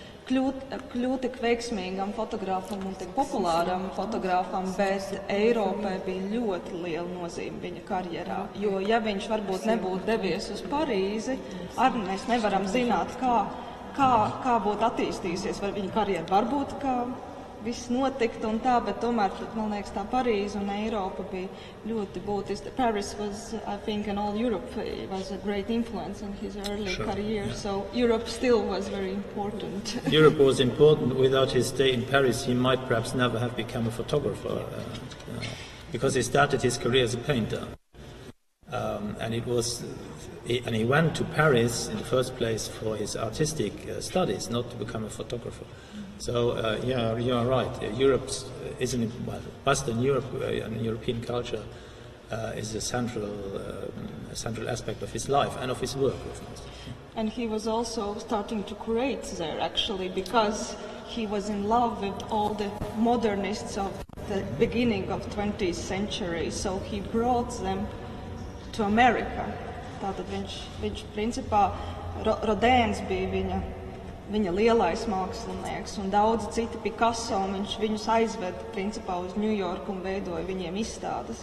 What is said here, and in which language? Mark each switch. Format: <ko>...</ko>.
<lv>kļūt tik veiksmīgam fotogrāfam un tik populāram fotogrāfam, bet Eiropai bija ļoti liela nozīme viņa karjerā, jo ja viņš varbūt nebūtu devies uz Parīzi, arī mēs nevaram zināt, kā būtu attīstījusies viņa karjera, varbūt, ka viss notiktu un tā, bet tomēr, man liekas, tā Parīze un Eiropa bija ļoti būtiski.</lv> <en>Paris was, I think, and all Europe was a great influence in his early sure, career, yeah. So Europe still was very important. Europe was important. Without his stay in Paris, he might perhaps never have become a photographer, because he started his career as a painter. And he went to Paris in the first place for his artistic studies, not to become a photographer. So yeah, you are right. Western Europe and European culture is a central aspect of his life and of his work. And he was also starting to create there actually, because he was in love with all the modernists of the beginning of 20th century. So he brought them to America.</en> <lv>Tātad viņš principā Rodēns bija viņa lielais mākslinieks, un daudzi citi Picasso, un viņš viņus aizved principā uz New York un veidoja viņiem izstādes.</lv>